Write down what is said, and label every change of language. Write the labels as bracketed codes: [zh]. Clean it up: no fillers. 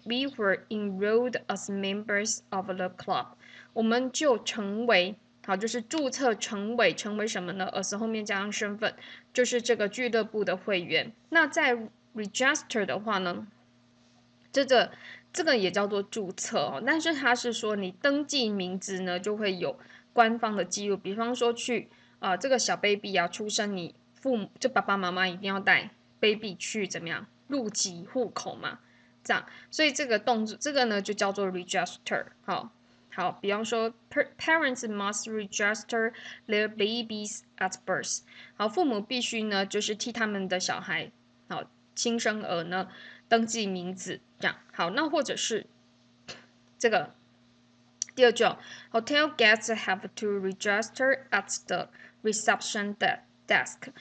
[en] We were enrolled as members of the club， [zh] 我们就成为。好，就是注册成为什么呢 ？as 后面加上身份，就是这个俱乐部的会员。那在 register 的话呢，这个也叫做注册哦，但是它是说你登记名字呢就会有官方的记录。比方说去这个小 baby 啊出生，你父母就爸爸妈妈一定要带 baby 去怎么样入籍户口嘛，这样。所以这个动作，这个呢就叫做 register 好。好，比方说 [en] ，parents must register their babies at birth。 [zh] 好，父母必须呢，就是替他们的小孩，好，亲生儿呢，登记名字，这样。好，那或者是这个第二句哦 [en] ，hotel guests have to register at the reception desk。